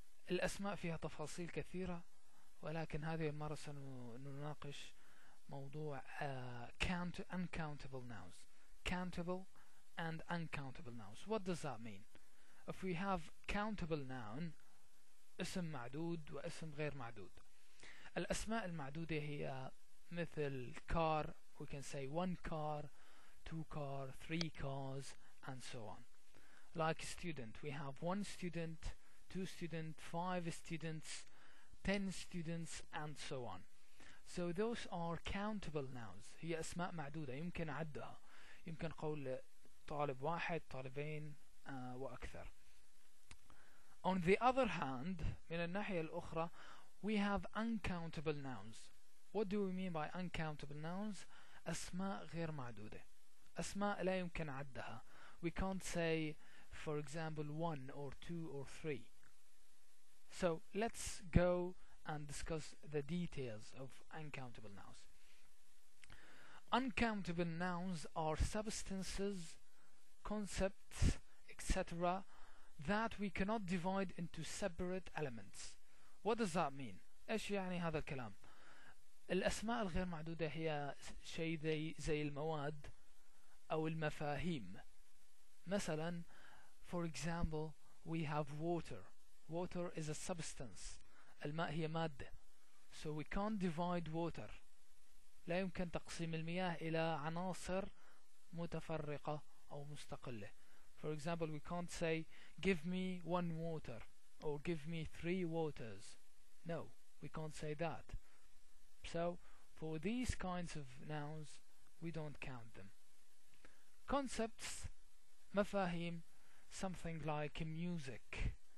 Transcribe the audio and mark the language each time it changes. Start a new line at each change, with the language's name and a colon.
Arabic: الأسماء فيها تفاصيل كثيرة ولكن هذه المرة سنناقش موضوع uncountable nouns.
English: Countable and uncountable nouns. What does that mean? If we have countable noun,
Arabic: اسم معدود واسم غير معدود. الأسماء المعدودة هي مثل car.
English: We can say one car, two car, three cars, and so on. Like student, we have one student, two student, five students, 10 students, and so on. So those are countable nouns.
Arabic: هي أسماء معدودة يمكن عدها. يمكن قول طالب واحد, طالبين, وأكثر.
English: On the other hand,
Arabic: من الناحية الأخرى,
English: we have uncountable nouns. What do we mean by uncountable nouns?
Arabic: أسماء غير معدودة, أسماء لا يمكن عدها.
English: We can't say, for example, one or two or three. So let's go and discuss the details of uncountable nouns. Uncountable nouns are substances, concepts, etc., that we cannot divide into separate elements. What does that mean?
Arabic: إيش يعني هذا الكلام؟ الأسماء الغير معدودة هي شيء زي المواد أو المفاهيم.
English: مثلا, for example, we have water. Water is a substance.
Arabic: الماء هي مادة.
English: So we can't divide water.
Arabic: لا يمكن تقسيم المياه إلى عناصر متفرقة أو مستقلة.
English: For example, we can't say give me one water or give me three waters. No, we can't say that. So, For these kinds of nouns, we don't count them. Concepts, مفاهيم, something like music.